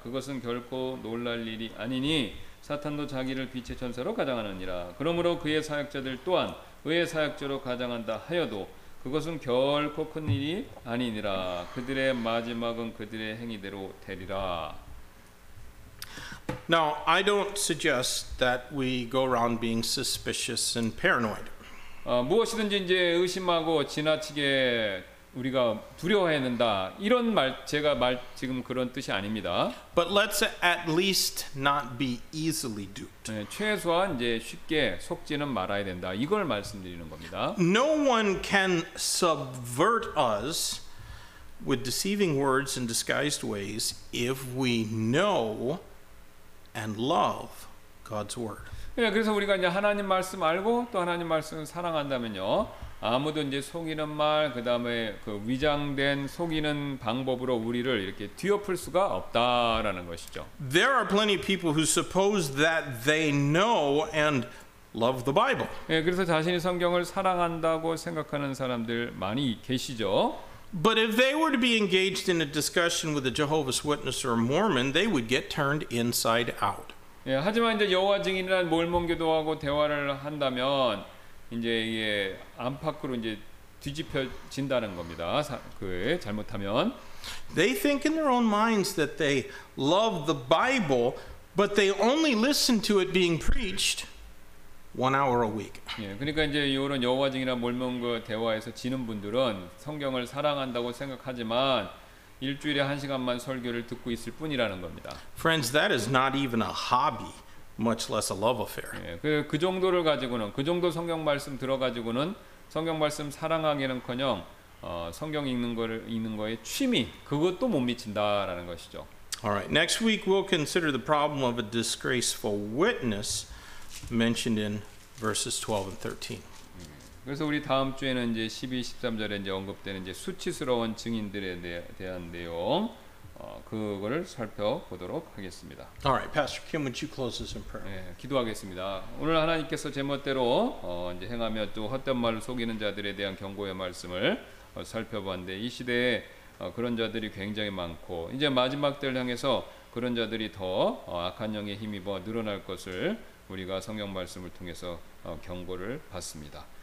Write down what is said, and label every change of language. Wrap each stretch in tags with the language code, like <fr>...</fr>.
<ko>그것은 결코 놀랄 일이 아니니 사탄도 자기를 빛의 천사로 과장하느니라. 그러므로 그의 사역자들 또한 의의 사역자로 과장한다 하여도 그것은 결코 큰 일이 아니니라. 그들의 마지막은 그들의 행위대로 되리라.</ko> <en>Now, I don't suggest that we go around being suspicious and paranoid.</en> <ko>무엇이든지 이제 의심하고 지나치게 우리가 두려워해낸다 이런 말 제가 말 지금 그런 뜻이 아닙니다.</ko> <en>But let's at least not be easily duped.</en> <ko>네, 최소한 이제 쉽게 속지는 말아야 된다. 이걸 말씀드리는 겁니다.</ko> <en>No one can subvert us with deceiving words and disguised ways if we know and love God's word.</en> <ko>네, 그래서 우리가 이제 하나님 말씀 알고 또 하나님 말씀을 사랑한다면요. 아무도 이제 속이는 말, 그 다음에 그 위장된 속이는 방법으로 우리를 이렇게 뒤엎을 수가 없다라는 것이죠.</ko> <en>There are plenty of people who suppose that they know and love the Bible.</en> <ko>예, 그래서 자신이 성경을 사랑한다고 생각하는 사람들 많이 계시죠.</ko> <en>But if they were to be engaged in a discussion with a Jehovah's Witness or a Mormon, they would get turned inside out.</en> <ko>예, 하지만 이제 여호와 증인이란 몰몬교도하고 대화를 한다면 이제 이게 안팎으로 이제 뒤집혀진다는 겁니다. 그 잘못하면</ko> <en>they think in their own minds that they love the Bible, but they only listen to it being preached 1 hour a week.</en> <ko>예, 그러니까 이제 이런 여호와 증인이나 몰몬과 대화에서 지는 분들은 성경을 사랑한다고 생각하지만 일주일에 한 시간만 설교를 듣고 있을 뿐이라는 겁니다.</ko> <en>Friends, that is not even a hobby. Much less a love affair.</en> <ko>예, 그 정도를 가지고는 그 정도 성경 말씀 들어 가지고는 성경 말씀 사랑하기는커녕 성경 읽는 거에 취미 그것도 못 미친다라는 것이죠.</ko> <en>All right. Next week we'll consider the problem of a disgraceful witness mentioned in verses 12 and 13.</en> <ko>그래서 우리 다음 주에는 이제 12, 13절에 이제 언급되는 이제 수치스러운 증인들에 대한 내용 그거를 살펴보도록 하겠습니다.</ko> <en>All right, Pastor Kim, would you close us in prayer?</en> <ko>네, 기도하겠습니다. 오늘 하나님께서 제멋대로 이제 행하며 또 헛된 말을 속이는 자들에 대한 경고의 말씀을 살펴봤는데 이 시대에 그런 자들이 굉장히 많고 이제 마지막 때를 향해서 그런 자들이 더 악한 영에 힘입어 늘어날 것을 우리가 성경 말씀을 통해서 경고를 받습니다.</ko>